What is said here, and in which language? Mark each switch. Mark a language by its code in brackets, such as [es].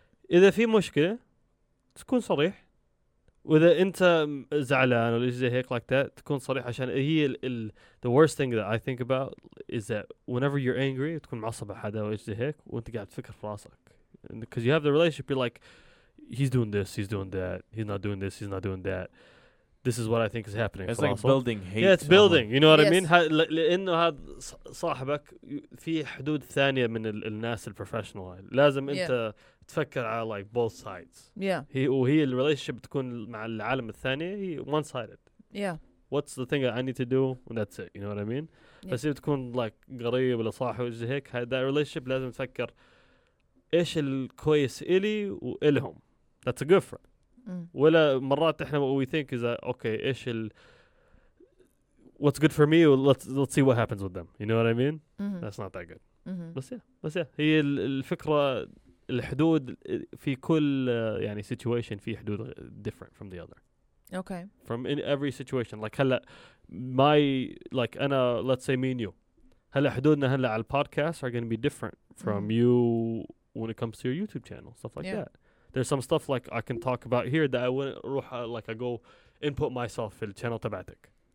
[en] إذا في مشكلة تكون صريح وإذا أنت زعلان ولا زي هيك like that تكون صريح عشان هي ال the worst thing that I think about is that whenever you're angry تكون معصب على حدا ولا زي هيك وأنت قاعد تفكر في راسك because you have the relationship you're like he's doing this he's doing that he's not doing this he's not doing that this is what I think is happening it's like building hate [ar] yeah it's building you know what I mean لأنه هذا صاحبك في حدود ثانية من الناس البروفيشنال لازم أنت تفكر على like both sides. [en] Yeah. [ar] وهي الrelationship تكون مع العالم الثاني هي one sided. [en] Yeah. What's the thing that I need to do and that's it. You know what I mean? [ar] بس إذا تكون like قريب ولا صاحب وجه هيك that relationship لازم تفكر إيش الكويس إلي وإلهم. [en] That's a good friend. ولا مرات إحنا we think is that okay إيش ال what's good for me let's see what happens with them. You know what I mean? That's not that good. [ar] بس yeah هي الفكرة الحدود في كل يعني situation في حدود different from the other. [en] Okay. From in every situation. Like هلا my like أنا let's say me and you. هلا حدودنا هلا على the podcast are going to be different from you when it comes to your YouTube channel. Stuff like that. There's some stuff like I can talk about here that I wouldn't روح like I go input myself في the channel تبعتك.